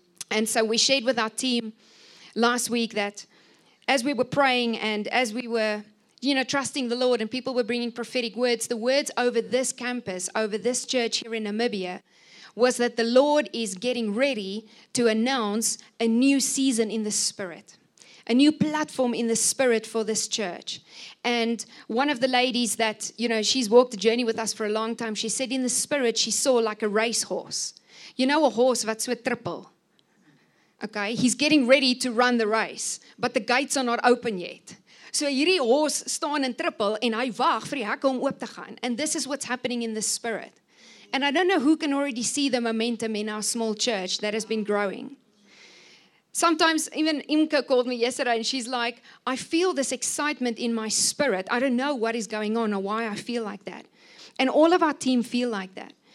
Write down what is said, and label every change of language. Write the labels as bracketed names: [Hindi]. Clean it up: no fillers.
[English] And so we shared with our team last week that as we were praying and as we were, you know, trusting the Lord and people were bringing prophetic words, the words over this campus, over this church here in Namibia, was that the Lord is getting ready to announce a new season in the Spirit, a new platform in the Spirit for this church. And one of the ladies that, you know, she's walked the journey with us for a long time, she said in the Spirit she saw like a racehorse. You know, a horse that's with triple. Okay, he's getting ready to run the race, but the gates are not open yet. [Afrikaans] So hierdie horse staan in triple en hy wag vir die hekke om oop te gaan. [English] And this is what's happening in the Spirit. And I don't know who can already see the momentum in our small church that has been growing. Sometimes even Imke called me yesterday and she's like, I feel this excitement in my spirit. I don't know what is going on or why I feel like that. And all of our team feel like that.